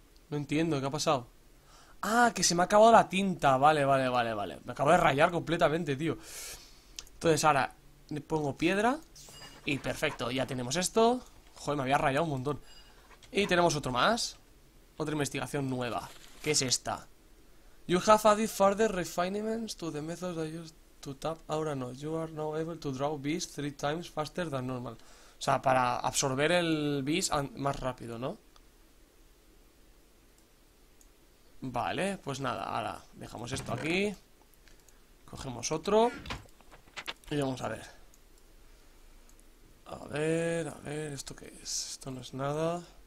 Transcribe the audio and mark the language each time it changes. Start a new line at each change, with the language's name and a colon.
Spanish: No entiendo, ¿qué ha pasado? Ah, que se me ha acabado la tinta. Vale. Me acabo de rayar completamente, tío. Entonces ahora le pongo piedra. Y perfecto, ya tenemos esto. Joder, me había rayado un montón. Y tenemos otro más. Otra investigación nueva. ¿Qué es esta?
English: You have added further refinements to the methods that used to tap.
Spanish: Ahora no.
English: You are now able to draw beasts three times faster than normal.
Spanish: O sea, para absorber el beast más rápido, ¿no? Vale, pues nada, ahora dejamos esto aquí. Cogemos otro. Y vamos a ver. A ver, ¿esto qué es? Esto no es nada.